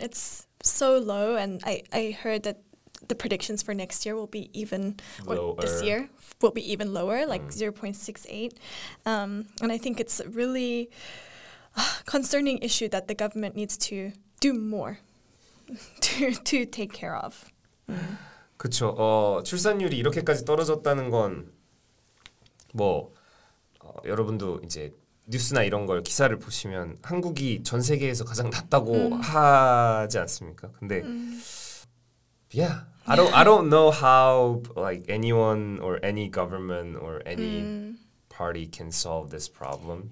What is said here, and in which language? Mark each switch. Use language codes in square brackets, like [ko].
[en] It's so low, and I heard that the predictions for next year will be even, lower. Or this year, will be even lower, like 0.68. And I think it's a really concerning issue that the government needs to do more to take care of. [ko] 그렇죠. 출산율이 이렇게까지 떨어졌다는 건 뭐 여러분도 이제 뉴스나 이런 걸 기사를 보시면 한국이 전 세계에서 가장 낮다고 하지 않습니까? [en] 근데 I don't know how like anyone or any government or any party can solve this problem.